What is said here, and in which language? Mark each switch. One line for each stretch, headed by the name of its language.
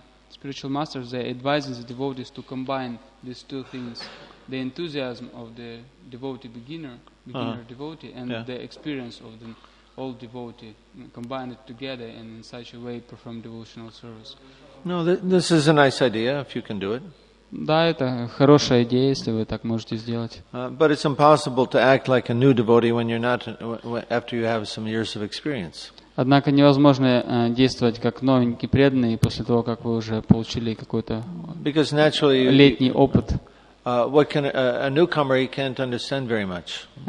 English: Spiritual masters, they advise the devotees to combine these two things, the enthusiasm of the devotee beginner devotee, and the experience of the old devotee, combine it together and in such a way perform devotional service. No, this is a nice idea, if you can do it.
Russian: Да, это хорошая идея, если вы так можете сделать.
English: But it's impossible to act like a new devotee when you're not after you have some years of experience.
Russian: Однако невозможно действовать как новенький преданный после того, как вы уже получили какой-то летний опыт.
English: What can a newcomer he can't understand very much.